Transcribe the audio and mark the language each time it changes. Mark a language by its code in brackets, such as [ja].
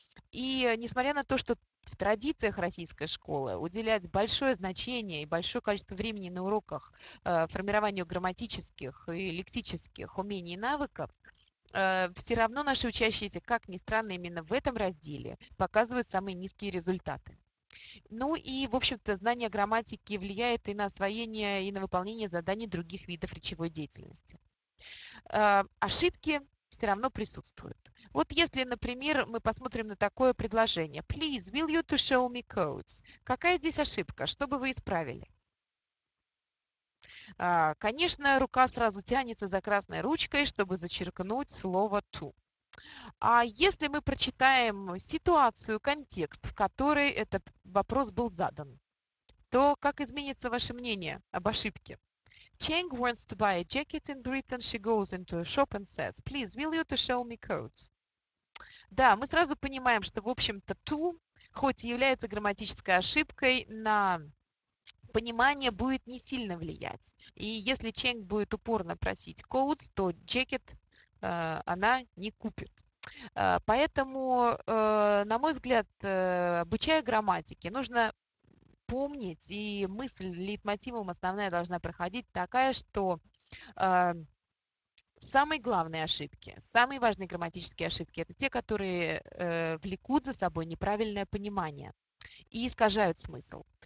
[ru] И несмотря на то, что в традициях российской школы уделять большое значение и большое количество времени на уроках формированию грамматических и лексических умений и навыков, все равно наши учащиеся, как ни странно, именно в этом разделе показывают самые низкие результаты. Ну и, в общем-то, знание грамматики влияет и на освоение, и на выполнение заданий других видов речевой деятельности. Ошибки все равно присутствуют. Вот если, например, мы посмотрим на такое предложение. [en] Please, will you to show me codes? [ru] Какая здесь ошибка? Что бы вы исправили? Конечно, рука сразу тянется за красной ручкой, чтобы зачеркнуть слово to. А если мы прочитаем ситуацию, контекст, в которой этот вопрос был задан, то как изменится ваше мнение об ошибке? [en] Cheng wants to buy a jacket in Britain. She goes into a shop and says, please, will you to show me codes? [ru] Да, мы сразу понимаем, что, в общем-то, to, хоть и является грамматической ошибкой, на понимание будет не сильно влиять. И если Cheng будет упорно просить codes, то jacket она не купит. Поэтому, на мой взгляд, обучая грамматике, нужно помнить, и мысль лейтмотивом основная должна проходить такая, что самые главные ошибки, самые важные грамматические ошибки – это те, которые влекут за собой неправильное понимание и искажают смысл.